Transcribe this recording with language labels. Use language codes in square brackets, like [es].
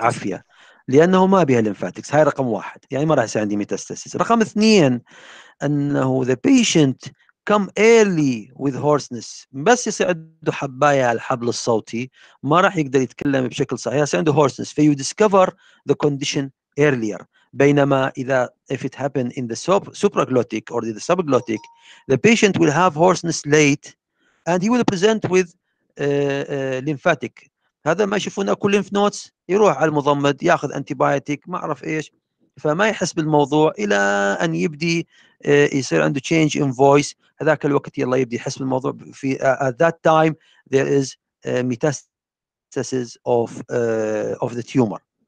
[ar] عافية. لأنه ما بيها lymphatics. هاي رقم واحد. يعني ما راح يصير عندي metastasis. رقم اثنين أنه [en] the patient come early with hoarseness. [ar] بس يصير عنده حباية على الحبل الصوتي ما راح يقدر يتكلم بشكل صحيح. يصير عنده [en] hoarseness. فيو discover the condition earlier. [ar] بينما إذا [en] if it happened in the supraglottic or the subglottic, the patient will have hoarseness late and he will present with lymphatic. [ar] هذا ما يشوفون أكل lymph nodes، يروح على المضمد يأخذ antibiotic ما أعرف إيش، فما يحس بالموضوع إلى أن يبدي يصير عنده [en] change in voice. [ar] هذاك الوقت يلا يبدي يحس بالموضوع. [en] في at that time there is metastasis of the tumor.